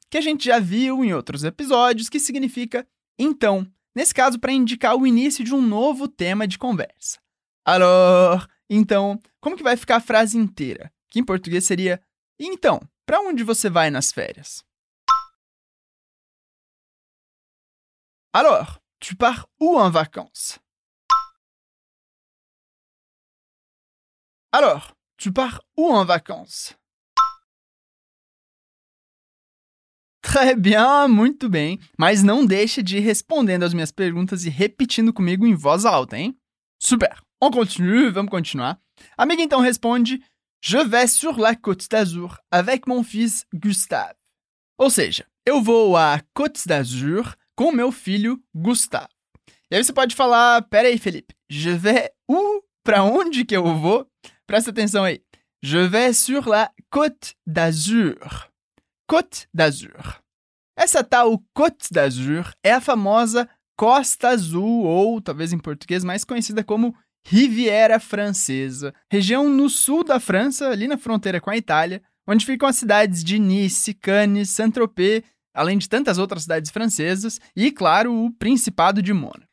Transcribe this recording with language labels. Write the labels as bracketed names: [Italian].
[Portuguese] que a gente já viu em outros episódios, que significa então, nesse caso para indicar o início de um novo tema de conversa. Alors, então, como que vai ficar a frase inteira? Que em português seria, então, para onde você vai nas férias? [French] Alors, tu pars où en vacances? Alors, tu pars où en vacances? Très bien, [Portuguese] muito bem. Mas não deixe de ir respondendo as minhas perguntas e repetindo comigo em voz alta, hein? [French] Super, on continue, [Portuguese] vamos continuar. Amiga então responde, [French] je vais sur la Côte d'Azur avec mon fils Gustave. [Portuguese] Ou seja, eu vou à Côte d'Azur com meu filho Gustave. E aí você pode falar, peraí Felipe, [French] je vais où? [Portuguese] Pra onde que eu vou? Presta atenção aí. [French] Je vais sur la Côte d'Azur. Côte d'Azur. [Portuguese] Essa tal Côte d'Azur é a famosa Costa Azul, ou talvez em português mais conhecida como Riviera Francesa, região no sul da França, ali na fronteira com a Itália, onde ficam as cidades de Nice, Cannes, Saint-Tropez, além de tantas outras cidades francesas, e, claro, o Principado de Mônaco.